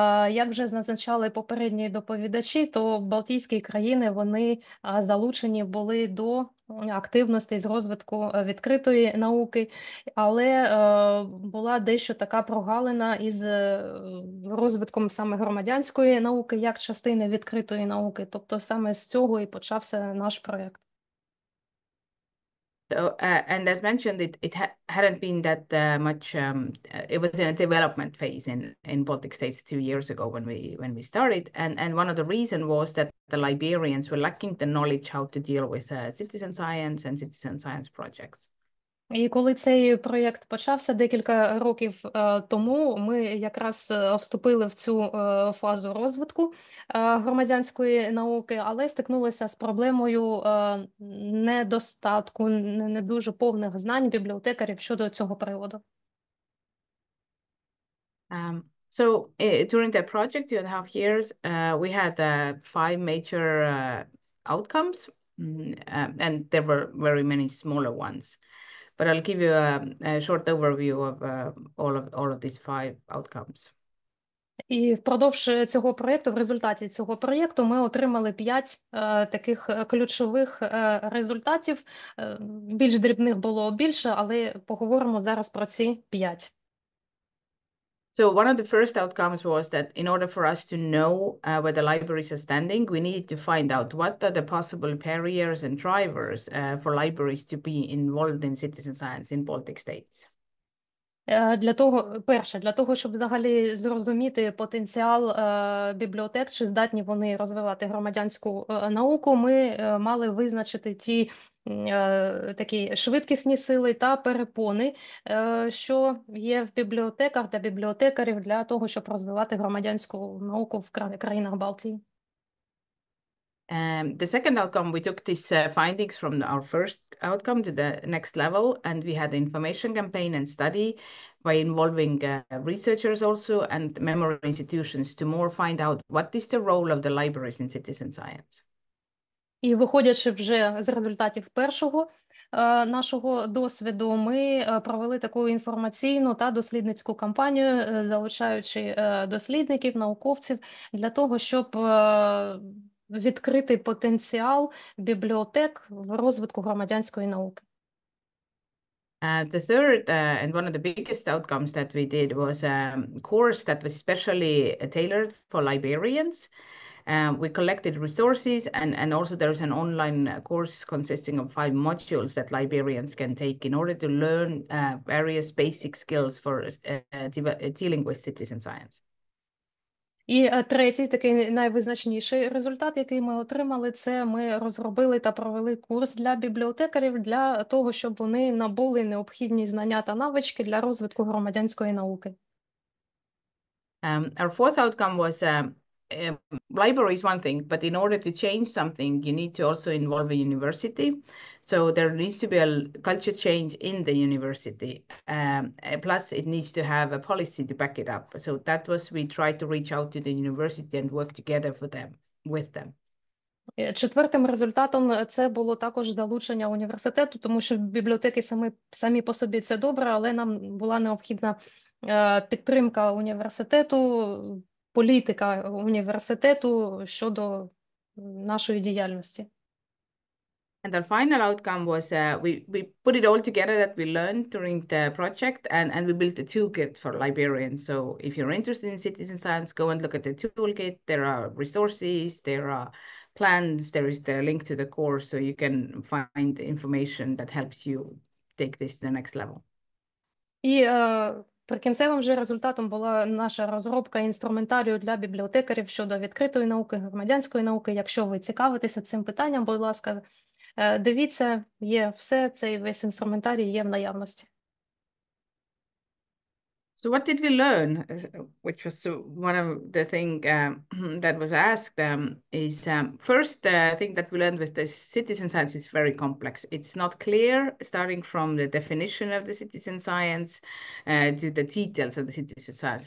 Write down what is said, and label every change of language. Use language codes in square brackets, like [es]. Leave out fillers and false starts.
[uk] Як вже зазначали попередні доповідачі, то Балтійські країни, вони залучені були до активності з розвитку відкритої науки, але була дещо така прогалина із розвитком саме громадянської науки як частини відкритої науки. Тобто саме з цього і почався наш проєкт. [en] So, and as mentioned, it hadn't been that much. It was in a development phase in Baltic states 2 years ago when we started. And one of the reasons was that the Liberians were lacking the knowledge how to deal with citizen science and citizen science projects. [uk] І коли цей проєкт почався декілька років тому, ми якраз вступили в цю фазу розвитку громадянської науки, але стикнулися з проблемою недостатку, не дуже повних знань бібліотекарів щодо цього приводу. [en] So during the project, 2.5 years, we had five major outcomes, and there were very many smaller ones. But I'll give you a short overview of all of these five outcomes. [uk] І впродовж цього проєкту, в результаті цього проєкту, ми отримали 5 таких ключових результатів. Більш дрібних було більше, але поговоримо зараз про ці 5. [en] So one of the first outcomes was that in order for us to know where the libraries are standing, we needed to find out what are the possible barriers and drivers for libraries to be involved in citizen science in Baltic states. [uk] Для того, перше, для того, щоб взагалі зрозуміти потенціал бібліотек, чи здатні вони розвивати громадянську науку, ми мали визначити ті такі швидкісні сили та перепони, що є в бібліотеках для бібліотекарів для того, щоб розвивати громадянську науку в країнах Балтії. [en] The second outcome, we took these findings from our first outcome to the next level, and we had an information campaign and study by involving researchers also and member institutions to more find out what is the role of the libraries in citizen science. [uk] І виходячи вже з результатів першого нашого досвіду, ми провели таку інформаційну та дослідницьку кампанію, залучаючи дослідників, науковців для того, щоб відкрити потенціал бібліотек в розвитку громадянської науки. [en] The third and one of the biggest outcomes that we did was a course that was specially tailored for librarians. We collected resources and also there's an online course consisting of 5 modules that librarians can take in order to learn various basic skills for dealing with citizen science. [uk] І третій, такий найвизначніший результат, який ми отримали, це ми розробили та провели курс для бібліотекарів для того, щоб вони набули необхідні знання та навички для розвитку громадянської науки. [en] Our fourth outcome was library is one thing, but in order to change something, you need to also involve a university. So there needs to be a culture change in the university. Plus, it needs to have a policy to back it up. So that was we tried to reach out to the university and work together for them with them. [uk] Четвертим результатом це було також залучення університету, тому що бібліотеки самі по собі це добре, але нам була необхідна підтримка університету. Політика університету щодо нашої діяльності. [en] And our final outcome was we put it all together that we learned during the project and we built a toolkit for librarians. So if you're interested in citizen science, go and look at the toolkit. There are resources, there are plans, there is the link to the course, so you can find information that helps you take this to the next level. [uk] Прикінцевим же результатом була наша розробка інструментарію для бібліотекарів щодо відкритої науки, громадянської науки. Якщо ви цікавитеся цим питанням, будь ласка, дивіться, є все, цей весь інструментарій є в наявності. [en] So what did we learn, which was one of the things that was asked, is first thing that we learned was that citizen science is very complex. It's not clear, starting from the definition of the citizen science to the details of the citizen science.